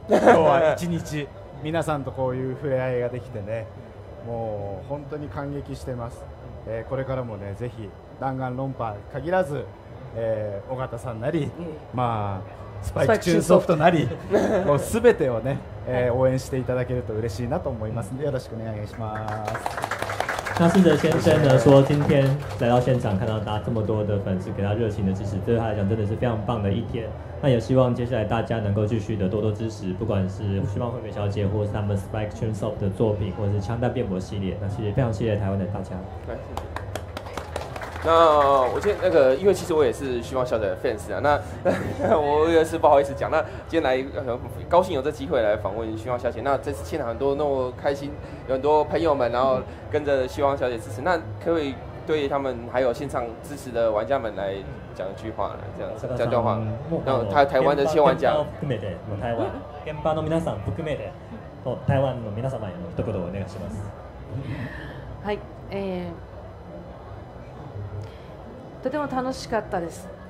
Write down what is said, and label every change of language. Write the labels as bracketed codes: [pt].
[ja] 今日は一日。皆さんとこういう触れ合いができてね、もう本当に感激してます。これからもね、ぜひ弾丸論破限らず、尾形さんなり、スパイクチューンソフトなり、もうすべてをね、応援していただけると嬉しいなと思いますので、よろしくお願いします。 [zh] 那四德先生呢说，今天来到现场，看到大家这么多的粉丝给他热情的支持，对他来讲真的是非常棒的一天。那也希望接下来大家能够继续的多多支持，不管是旭芳惠美小姐，或是他们 Spike Chun Soft 的作品，或是枪弹辩驳系列。那其实非常谢谢台湾的大家。对，谢谢。那我今天因为其实我也是旭芳小姐的 fans 啊，那我也是不好意思讲。那今天来很高兴有这机会来访问旭芳小姐。那这次现场很多那么开心，有很多朋友们，然后跟着旭芳小姐支持。那可不可以对他们还有现场支持的玩家们来？讲一句话，这样话，台湾的一些玩家， [ja] 含めて、台湾現場の皆さん含めて、台湾の皆様への一言をお願いします。はい、とても楽しかったです。